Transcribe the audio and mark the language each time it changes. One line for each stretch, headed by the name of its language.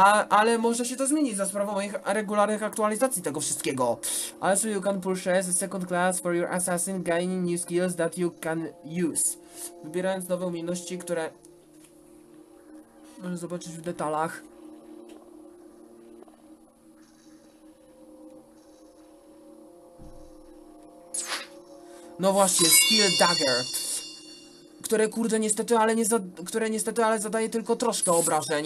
Polish: Ale może się to zmienić za sprawą moich regularnych aktualizacji tego wszystkiego.
English: Also you can purchase a second class for your assassin, gaining new skills that you can use.
Polish: Wybierając nowe umiejętności, które możesz zobaczyć w detalach. No właśnie, Steel Dagger. Które kurde niestety, ale nie za, które niestety, ale zadaje tylko troszkę obrażeń.